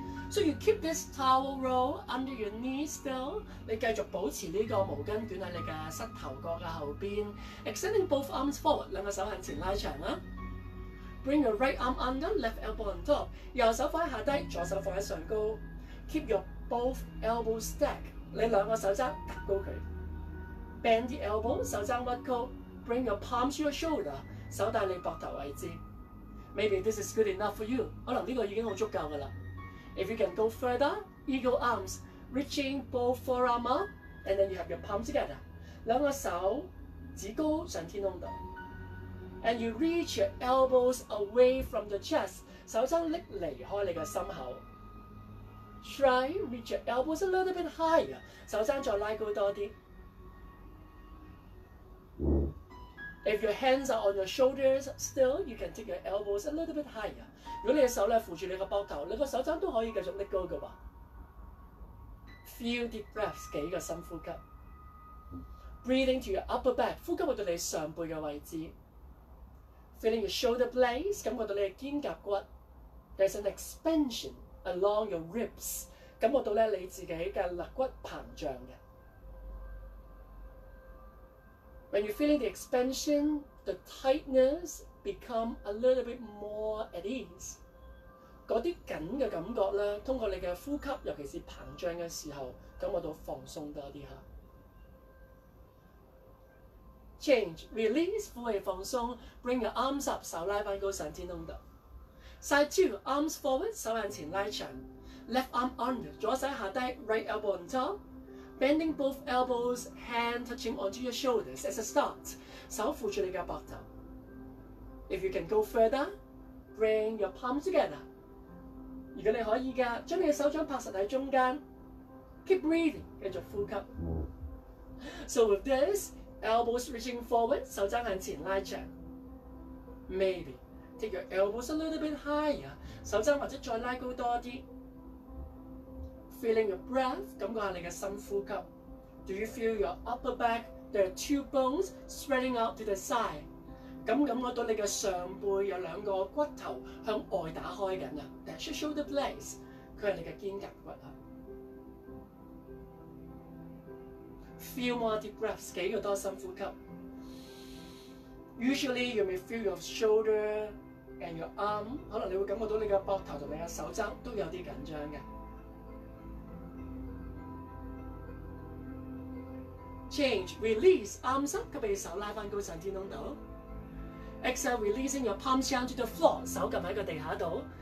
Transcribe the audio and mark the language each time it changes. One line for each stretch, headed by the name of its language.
English: So you keep this towel roll under your knee still.
Chinese: 你繼續保持這個毛巾捲在你的膝頭角的後邊。
English: Extending both arms forward,
Chinese: 兩個手向前拉長。
English: Bring your right arm under, left elbow on top.
Chinese: 右手放下低，左手放在上高。
English: Keep your both elbows stacked.
Chinese: 你兩個手踭搭高佢。
English: Bend the elbow,
Chinese: 手踭屈高。
English: Bring your palms to your shoulder,
Chinese: 手帶你膊頭位置。
English: Maybe this is good enough for you.
Chinese: 可能這個已經很足夠了。
English: If you can go further, eagle arms, reaching both forearm up, and then you have your palms together.
Chinese: 兩個手指高上天空度。
English: And you reach your elbows away from the chest,
Chinese: 手踭拎離開你的心口。
English: Try reach your elbows a little bit higher,
Chinese: 手踭再拉高多一點。
English: If your hands are on your shoulders, still you can take your elbows a little bit higher.
Chinese: 如果你的手咧扶住你的膊头，你的手踭都可以继续拎高噶喎。
English: Feel deep breaths,
Chinese: 几个深呼吸。
English: Breathing to your upper back,
Chinese: 呼吸去到你上背的位置。
English: Feeling your shoulder blades,
Chinese: 感觉到你的肩胛骨。
English: There's an expansion along your ribs,
Chinese: 感觉到咧你自己的肋骨膨胀嘅。
English: When you're feeling the expansion, the tightness become a little bit more at ease.
Chinese: 嗰啲緊嘅感覺咧，通過你嘅呼吸，尤其是膨脹嘅時候，感覺到放鬆多啲嚇。
English: Change, release,
Chinese: 呼氣放鬆。
English: Bring your arms up,
Chinese: 手拉翻高上天空度。
English: Side two, arms forward,
Chinese: 手向前拉長。
English: Left arm under,
Chinese: 左手下低
English: ，right elbow on top。 Bending both elbows, hand touching onto your shoulders as a start.
Chinese: 手扶住你的膊頭。
English: If you can go further, bring your palms together.
Chinese: 如果你可以的，將你的手掌拍實在中間。
English: Keep breathing,
Chinese: 繼續呼吸。
English: So with this, elbows reaching forward,
Chinese: 手掌向前拉長。
English: Maybe, take your elbows a little bit higher,
Chinese: 手掌或者再拉高多一點。
English: Feeling your breath,
Chinese: 感覺下你的深呼吸。
English: Do you feel your upper back? There are two bones spreading out to the side.
Chinese: 感覺到你的上背有兩個骨頭向外打開緊啊。
English: That's your shoulder blades.
Chinese: 它是你的肩胛骨啊。
English: Feel more deep breaths,
Chinese: 幾個多深呼吸。
English: Usually you may feel your shoulder and your arm.
Chinese: 可能你會感覺到你的膊頭和你的手踭都有點緊張的。
English: Change, release, arms up,
Chinese: 腳臂手拉翻高上天空度。
English: Exhale, releasing your palms down to the floor,
Chinese: 手撳喺個地下度。